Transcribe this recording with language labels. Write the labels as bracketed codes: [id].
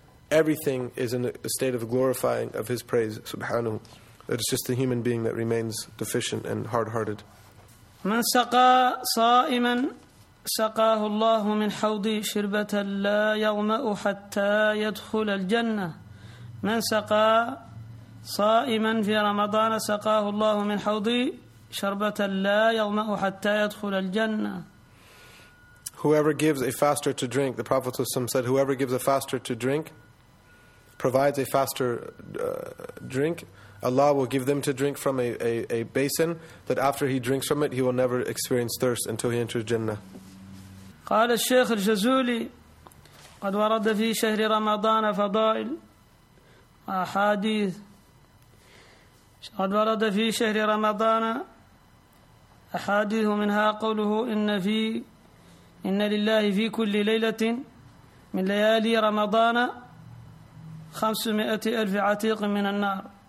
[en] Everything is in a state of glorifying of His praise, subhanahu. That it's just the human being that remains deficient and hard-hearted. [ar] من سقى صائما سقاه الله من حوض شربة لا يظمأ حتى يدخل الجنة. من سقى صائما في رمضان سقاه الله من حوض شربة لا يظمأ حتى يدخل الجنة. [en] Whoever gives a faster to drink, the Prophet ﷺ said, whoever gives a faster to drink, provides a faster drink, Allah will give them to drink from a basin, that after he drinks from it, he will never experience thirst until he enters Jannah. [ar] قال الشيخ الجزولي قد ورد في شهر رمضان فضائل أحاديث قد ورد في شهر رمضان أحاديث منها قوله إن لله في كل ليلة من ليالي رمضان 500,000 عتيق من النار.